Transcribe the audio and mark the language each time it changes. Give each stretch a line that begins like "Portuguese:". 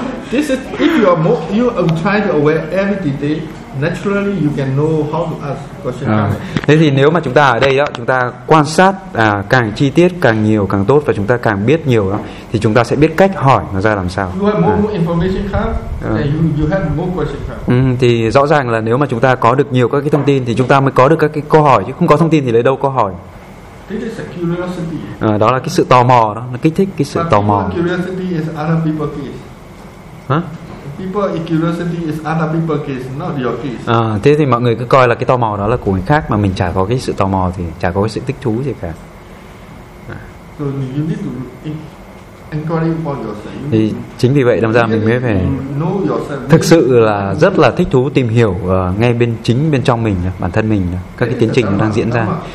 English: This is if you are more, you are trying to aware every detail. Naturally, you can know how to ask questions.
Vietnamese: Thế thì nếu mà chúng ta ở đây đó, chúng ta quan sát càng chi tiết càng nhiều càng tốt và chúng ta càng biết nhiều đó, thì chúng ta sẽ biết cách hỏi nó ra làm sao.
English: You have more information you have more questions.
Vietnamese: Thì rõ ràng là nếu mà chúng ta có được nhiều các cái thông tin thì chúng ta mới có được các cái câu hỏi, chứ không có thông tin thì lấy đâu câu hỏi.
English: This is a curiosity.
Vietnamese: Đó là cái sự tò mò đó, nó kích thích cái sự tò mò.
English: Curiosity is other people's case. People curiosity is other people's case, not your case.
Vietnamese: Thế thì mọi người cứ coi là cái tò mò đó là của người khác, mà mình chả có cái sự tò mò thì chả có cái sự thích thú gì cả.
English: So you need to inquire for yourself.
Vietnamese: Thì chính vì vậy đâm ra mình mới phải
English: know yourself.
Vietnamese: Thực sự là rất là thích thú tìm hiểu ngay bên chính bên trong mình, bản thân mình, các cái tiến trình nó đang diễn ra.